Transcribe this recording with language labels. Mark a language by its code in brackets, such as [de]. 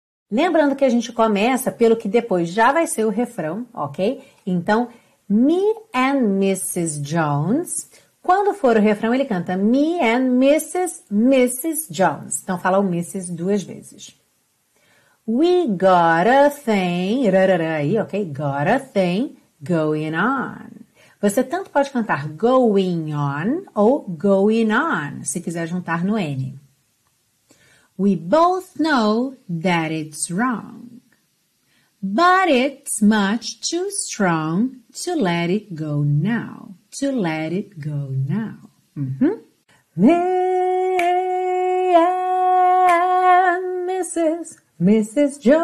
[pt] Lembrando que a gente começa pelo que depois já vai ser o refrão, ok? Então, Me and Mrs. Jones. Quando for o refrão, ele canta Me and Mrs. Jones. Então, fala o Mrs. duas vezes. [en] We got a thing, got a thing going on. [pt] Você tanto pode cantar going on ou going on, se quiser juntar no N. [en] We both know that it's wrong, but it's much too strong to let it go now, Mrs.